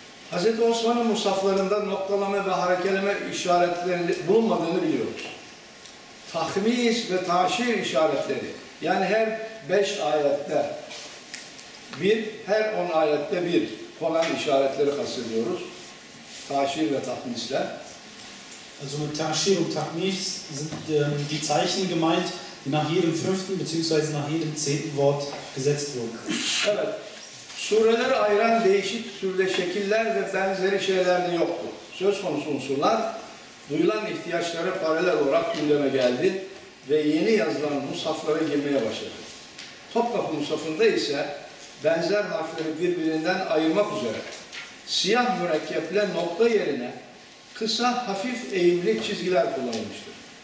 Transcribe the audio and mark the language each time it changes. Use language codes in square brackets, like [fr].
[tr] Hazreti Osman'ın mushaflarında noktalama ve harekeleme işaretleri bulunmadığını biliyoruz. Tahmis ve taşir işaretleri, yani her 5 ayette bir, her 10 ayette bir konan işaretleri kastediyoruz. Taşir ve tahmisle. [de] Also mit Taşir und Tahmis sind die Zeichen gemeint, die nach jedem fünften bzw. nach jedem zehnten Wort gesetzt wurden. [tr] Evet. Sureleri ayıran değişik türde şekiller ve benzeri şeyler de yoktu. Söz konusu unsurlar duyulan ihtiyaçlara paralel olarak gündeme geldi ve yeni yazılan mushaflara girmeye başladı. Topkapı Mushaf'ında ise benzer harfleri birbirinden ayırmak üzere siyah mürekkeple nokta yerine kısa hafif eğimli çizgiler kullanılmıştır.